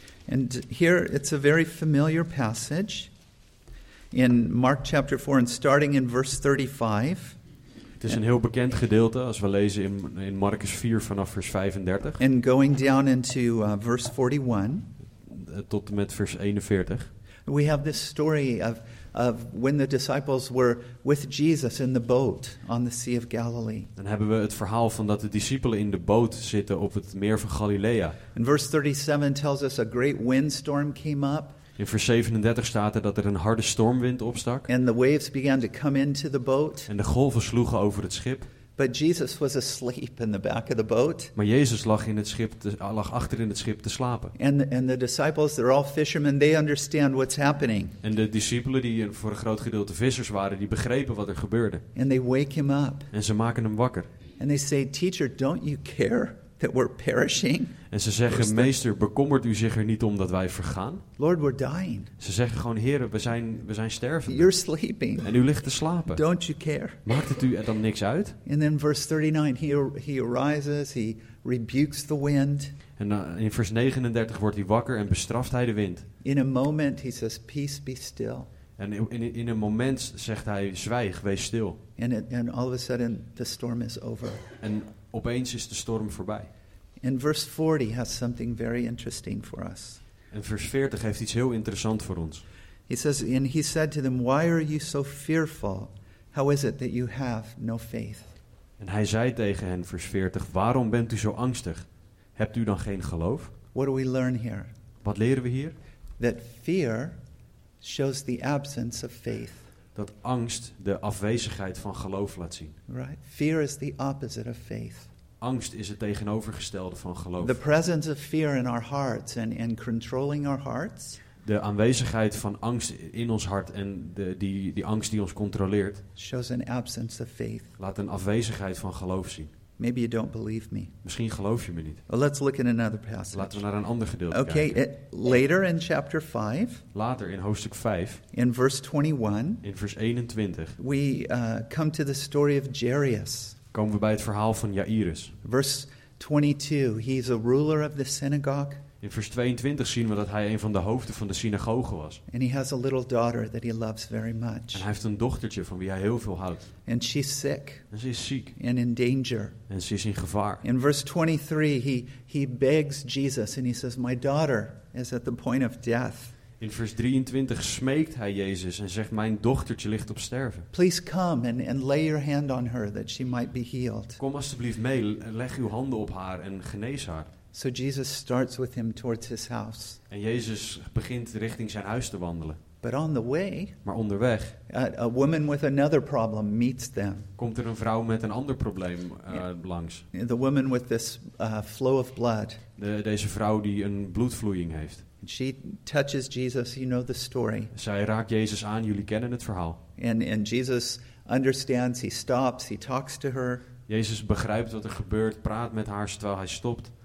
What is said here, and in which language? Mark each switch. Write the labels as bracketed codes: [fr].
[en] And here it's a very familiar passage in Mark chapter 4 and starting in verse 35. [nl] Het is een heel bekend gedeelte als we lezen in Marcus 4 vanaf vers 35. [en] And going down into verse 41. [nl] Tot en met vers 41. [en] We have this story of when the disciples were with Jesus in the boat on the Sea of Galilee. [nl] Dan hebben we het verhaal van dat de discipelen in de boot zitten op het meer van Galilea. [en] And verse 37 tells us a great windstorm came up. [nl] In vers 37 staat er dat er een harde stormwind opstak. [en] And the waves began to come into the boat. [nl] En de golven sloegen over het schip. [en] But Jesus was asleep in the back of the boat. [nl] Maar Jezus lag achter in het schip te slapen. [en] And the disciples, they're all fishermen, they understand what's happening. [nl] En de discipelen die voor een groot gedeelte vissers waren, die begrepen wat er gebeurde. [en] And they wake him up. [nl] En ze maken hem wakker. [en] And they say, teacher, don't you care? that we're perishing. [nl] En ze zeggen, meester, bekommert u zich er niet om dat wij vergaan? [en] Lord, we're dying. [nl] Ze zeggen gewoon, Heere, we zijn stervende. [en] You're sleeping. [nl] En u ligt te slapen. [en] Don't you care? [nl] Maakt het u er dan niks uit? [en] And then verse 39, he arises, he rebukes the wind. [nl] En in vers 39 wordt hij wakker en bestraft hij de wind. [en] In a moment he says, peace be still. [nl] En in een moment zegt hij, zwijg, wees stil. [en] And all of a sudden the storm is over. [nl] En opeens is de storm voorbij. [en] And verse 40 has something very interesting for us. [nl] En vers 40 heeft iets heel interessant voor ons. [en] He says, and he said to them, why are you so fearful? How is it that you have no faith? [nl] En hij zei tegen hen, vers 40, waarom bent u zo angstig? Hebt u dan geen geloof? [en] What do we learn here? [nl] Wat leren we hier? [en] That fear shows the absence of faith. [nl] Dat angst de afwezigheid van geloof laat zien. [en] Right. Fear is the opposite of faith. [nl] Angst is het tegenovergestelde van geloof. [en] The presence of fear in our hearts and controlling our hearts. [nl] De aanwezigheid van angst in ons hart en die angst die ons controleert. [en] Shows an absence of faith. [nl] Laat een afwezigheid van geloof zien. [en] Maybe you don't believe me. [nl] Misschien geloof je me niet. [en] Well, let's look in another passage. [nl] Laten we naar een ander gedeelte kijken. [en] Later in chapter 5. [nl] Later in hoofdstuk 5. [en] In verse 21. [nl] In vers 21. [en] We come to the story of Jairus. [nl] Komen we bij het verhaal van Jairus. [en] Verse 22. He is a ruler of the synagogue. [nl] In vers 22 zien we dat hij een van de hoofden van de synagoge was. [en] And he has a little daughter that he loves very much. [nl] En hij heeft een dochtertje van wie hij heel veel houdt. [en] And she's sick. [nl] En ze is ziek. [en] And in danger. [nl] En ze is in gevaar. [en] In verse 23 he begs Jesus and he says, my daughter is at the point of death. [nl] In vers 23 smeekt hij Jezus en zegt, mijn dochtertje ligt op sterven. [en] Please come and lay your hand on her that she might be healed. [nl] Kom alsjeblieft mee, leg uw handen op haar en genees haar. [en] So Jesus starts with him towards his house. [nl] En Jezus begint richting zijn huis te wandelen. [en] But on the way, [nl] maar onderweg, [en] a woman with another problem meets them. [nl] Komt er een vrouw met een ander probleem langs. [en] The woman with this flow of blood. [nl] Deze vrouw die een bloedvloeiing heeft. [en] And she touches Jesus, you know the story. [nl] Zij raakt Jezus aan, jullie kennen het verhaal. [en] And Jesus understands, he stops, he talks to her. [nl] Jezus begrijpt wat er gebeurt, praat met haar terwijl hij stopt.